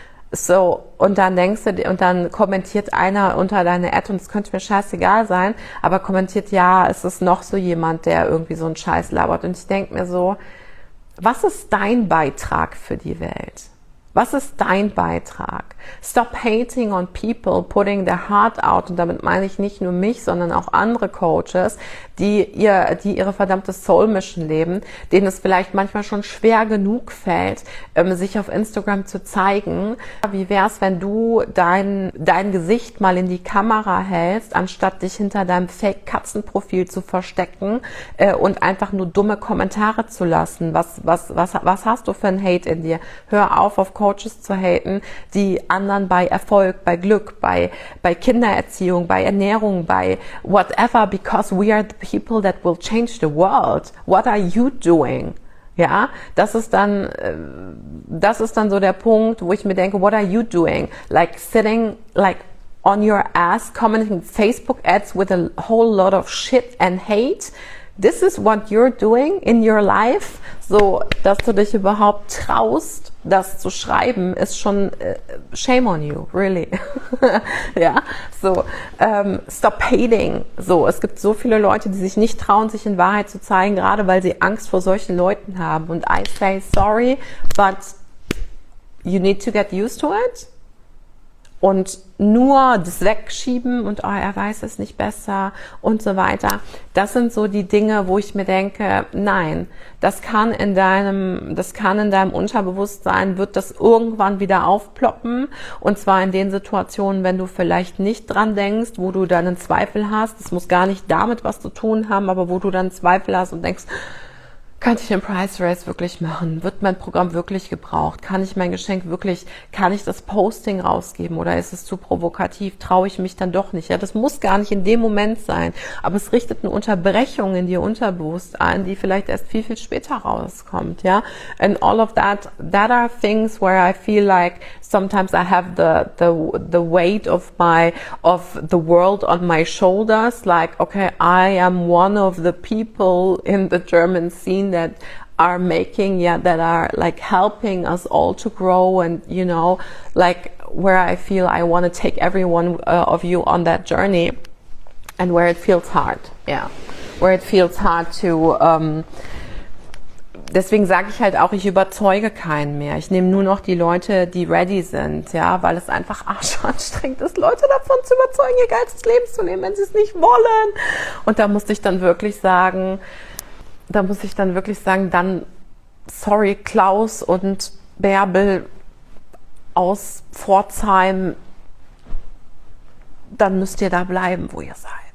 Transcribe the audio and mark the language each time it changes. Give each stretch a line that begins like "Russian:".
German: So, und dann denkst du, und dann kommentiert einer unter deine Ad, und es könnte mir scheißegal sein, aber kommentiert, ja, es ist noch so jemand, der irgendwie so einen Scheiß labert. Und ich denke mir so, was ist dein Beitrag für die Welt? Was ist dein Beitrag?
English: Stop hating on people, putting their heart out.
German: Und damit meine ich nicht nur mich, sondern auch andere Coaches, die ihre verdammte Soul Mission leben, denen es vielleicht manchmal schon schwer genug fällt, sich auf Instagram zu zeigen. Wie wär's, wenn du dein Gesicht mal in die Kamera hältst, anstatt dich hinter deinem Fake-Katzenprofil zu verstecken und einfach nur dumme Kommentare zu lassen? Was hast du für ein Hate in dir? Hör auf Coaches zu haten, die anderen bei Erfolg, bei Glück, bei Kindererziehung, bei Ernährung, bei whatever,
English: because we are the people that will change the world. What are you doing?
German: Ja, das ist dann so der Punkt, wo ich mir denke,
English: what are you doing? Like sitting like on your ass, commenting Facebook ads with a whole lot of shit and hate. This is what you're doing in your life.
German: So, dass du dich überhaupt traust, das zu schreiben, ist schon
English: shame on you, really.
German: Ja, so,
English: stop hating.
German: So, es gibt so viele Leute, die sich nicht trauen, sich in Wahrheit zu zeigen, gerade weil sie Angst vor solchen Leuten haben.
English: Und I say sorry, but you need to get used to it.
German: Und nur das Wegschieben und oh, er weiß es nicht besser und so weiter. Das sind so die Dinge, wo ich mir denke, nein, das kann in deinem Unterbewusstsein, wird das irgendwann wieder aufploppen. Und zwar in den Situationen, wenn du vielleicht nicht dran denkst, wo du deinen Zweifel hast. Das muss gar nicht damit was zu tun haben, aber wo du dann Zweifel hast und denkst, könnte ich den Price Race wirklich machen? Wird mein Programm wirklich gebraucht? Kann ich mein Geschenk wirklich, kann ich das Posting rausgeben oder ist es zu provokativ? Traue ich mich dann doch nicht? Ja, das muss gar nicht in dem Moment sein, aber es richtet eine Unterbrechung in dir unterbewusst ein, die vielleicht erst viel, viel später rauskommt, ja?
English: And all of that are things where I feel like sometimes I have the weight of the world on my shoulders, like, okay, I am one of the people in the German scene that are making, yeah, that are like helping us all to grow, and you know, like where I feel I want to take everyone of you on that journey, and where it feels hard, yeah, where it feels hard to
German: deswegen sage ich halt auch, ich überzeuge keinen mehr. Ich nehme nur noch die Leute, die ready sind, ja, weil es einfach arschanstrengend ist, Leute davon zu überzeugen, ihr ganzes Leben zu nehmen, wenn sie es nicht wollen. Und da musste ich dann wirklich sagen, dann sorry Klaus und Bärbel aus Pforzheim, dann müsst ihr da bleiben, wo ihr seid.